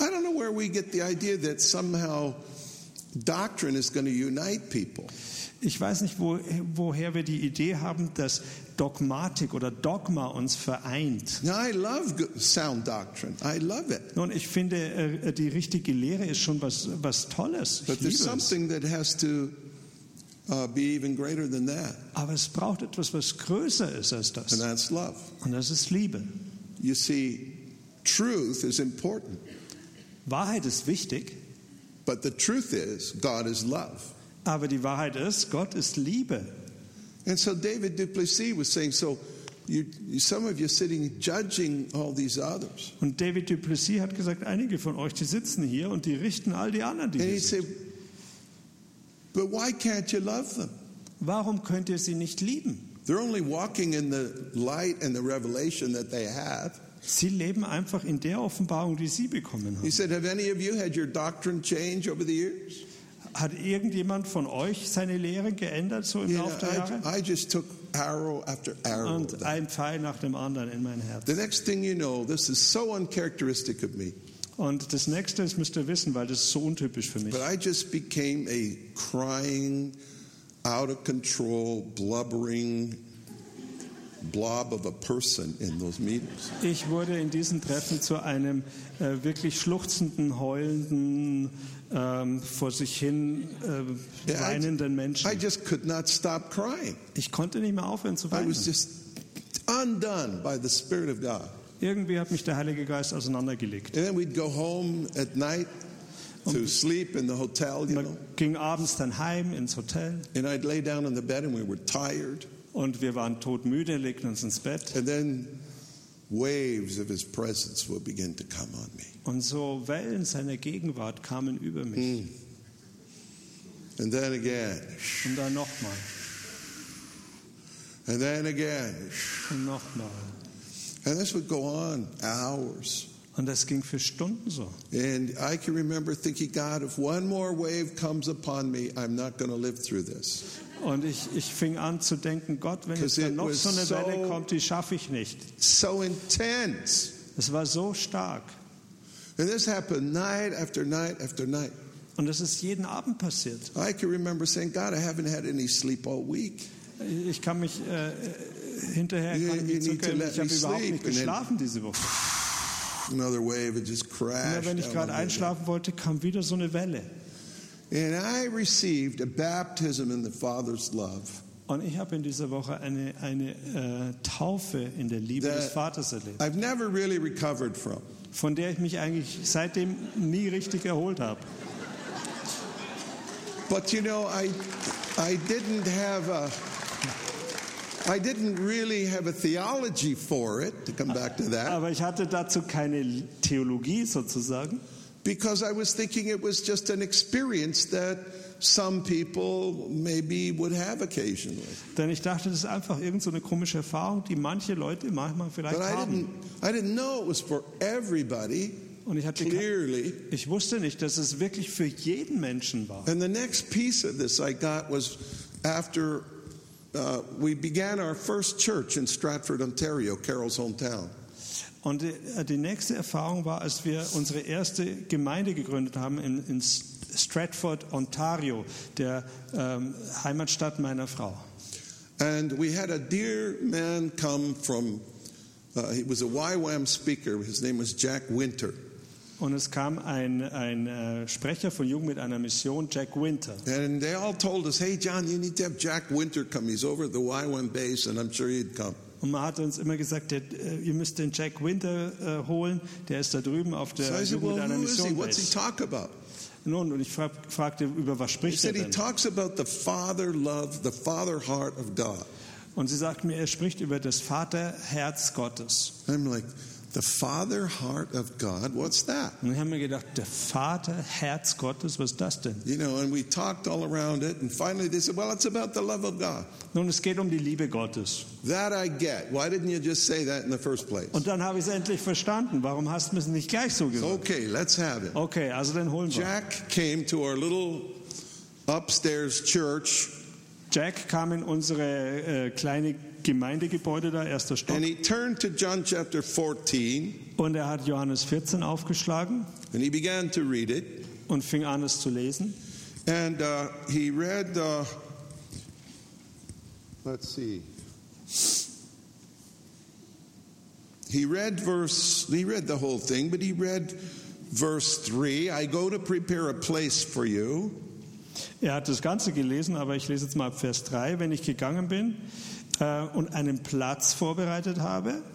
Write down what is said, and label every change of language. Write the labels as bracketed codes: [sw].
[en] I don't know where we get the idea that somehow doctrine is going to unite people. [de] Ich weiß nicht, woher wir die Idee haben, dass Dogmatik oder Dogma uns vereint. [en] Now, I love sound doctrine. I love it. [de] Nun, ich finde, die richtige Lehre ist schon was Tolles. [en] But there's something that has to be even greater than that. [de] Aber es braucht etwas, was größer ist als das. [en] And that's love. [de] Und das ist Liebe. [en] You see, truth is important. [de] Wahrheit ist wichtig. [en] But the truth is, God is love. [de] Aber die Wahrheit ist, Gott ist Liebe. [en] And so David Duplessis was saying, so some of you are sitting judging all these others. [de] Und David Duplessis hat gesagt, einige von euch, die sitzen hier und die richten all die anderen, die [en] and [de] hier sind. [en] Said, but why can't you love them? [de] Warum könnt ihr sie nicht lieben? [en] They're only walking in the light and the revelation that they have. [de] Sie leben einfach in der Offenbarung, die sie bekommen haben. [en] He said, have any of you had your doctrine change over the years? [de] Hat irgendjemand von euch seine Lehre geändert so im Laufe der Jahre? [en] I just took arrow after arrow. [de] Und ein Pfeil nach dem anderen in mein Herz. [en] The next thing you know, this is so uncharacteristic of me. [de] Und das nächste ist, müsst ihr wissen, weil das ist so untypisch für mich. [en] But I just became a crying, out of control, blubbering blob of a person in those meetings. [de] Ich wurde in diesen Treffen zu einem wirklich schluchzenden, heulenden, vor sich hin weinenden Menschen. [en] I just could not stop crying. [de] Ich konnte nicht mehr aufhören zu weinen. [en] I was just undone by the Spirit of God. [de] Irgendwie hat mich der Heilige Geist auseinandergelegt. [en] And then we'd go home at night to sleep in the hotel, you know. [de] Ging abends dann heim ins Hotel. [en] And I'd lay down on the bed and we were tired. [de] Und wir waren todmüde, legten uns ins Bett. [en] And then waves of his presence would begin to come on me. [de] Und so Wellen seiner Gegenwart kamen über mich. Mm. [en] And then again. [de] Und dann nochmal. [en] And then again. [de] Und nochmal. [en] And this would go on hours. [de] Und das ging für Stunden so. [en] And I can remember thinking, God, if one more wave comes upon me, I'm not going to live through this. [de] Und ich fing an zu denken, Gott, wenn jetzt dann noch so eine Welle kommt, die schaffe ich nicht. [en] So intense. [de] Es war so stark. [en] And this happened night after night after night. [de] Und das ist jeden Abend passiert. [en] I can remember saying, God, I haven't had any sleep all week. [de] Ich kann mich hinterher kann mich zurückerinnern, ich habe überhaupt nicht geschlafen diese Woche. [en] Another wave, it just crashed. [de] Wenn ich gerade einschlafen wollte, kam wieder so eine Welle. [en] And I received a baptism in the Father's love. [de] Und ich habe in dieser Woche eine Taufe in der Liebe des Vaters erlebt. [en] I've never really recovered from. [de] Von der ich mich eigentlich seitdem nie richtig erholt habe. [en] But you know, I didn't really have a theology for it, to come back to that. [de] Aber ich hatte dazu keine Theologie sozusagen. [en] Because I was thinking it was just an experience that some people maybe would have occasionally. [de] Denn ich dachte, das ist einfach irgendeine komische Erfahrung, die manche Leute manchmal vielleicht haben. [en] I didn't know it was for everybody. [de] Und ich hatte [en] clearly. [de] Ich wusste nicht, dass es wirklich für jeden Menschen war. [en] And the next piece of this I got was after we began our first church in Stratford, Ontario, Carol's hometown. [de] Und die nächste Erfahrung war, als wir unsere erste Gemeinde gegründet haben in Stratford, Ontario, der Heimatstadt meiner Frau. [en] And we had a dear man come from, he was a YWAM speaker, his name was Jack Winter. [de] Und es kam ein Sprecher von Jugend mit einer Mission, Jack Winter. [en] And they all told us, hey John, you need to have Jack Winter come, he's over at the YWAM base and I'm sure he'd come. [de] Und man hat uns immer gesagt, ihr müsst den Jack Winter holen, der ist da drüben auf der Jugend mit einer Mission. [en] What's he talk about? [de] Nun, und ich fragte, über was spricht er denn? [en] He said he talks about the father love, the father heart of God. [de] Und sie sagt mir, er spricht über das Vaterherz Gottes. [en] I'm like, the father heart of God, what's that? [de] Und ich habe mir gedacht, der Vaterherz Gottes, was ist das denn? [en] You know, and we talked all around it, and finally they said, well, it's about the love of God. [de] Nun, es geht um die Liebe Gottes. [en] That I get. Why didn't you just say that in the first place? [de] Und dann habe ich es endlich verstanden. Warum hast du es nicht gleich so gesagt? [en] Okay, let's have it. [de] Okay, also dann holen wir. [en] Jack came to our little upstairs church. [de] Jack kam in unsere kleine Gemeindegebäude da, erster Stock. [en] And he turned to John chapter 14. [de] Und hat Johannes 14 aufgeschlagen. [en] And he began to read it. [de] Und fing an es zu lesen. [en] And he read, let's see. He read the whole thing, but he read verse 3. I go to prepare a place for you. [de] Er hat das Ganze gelesen, aber ich lese jetzt mal Vers 3. Wenn ich gegangen bin und einen Platz vorbereitet habe,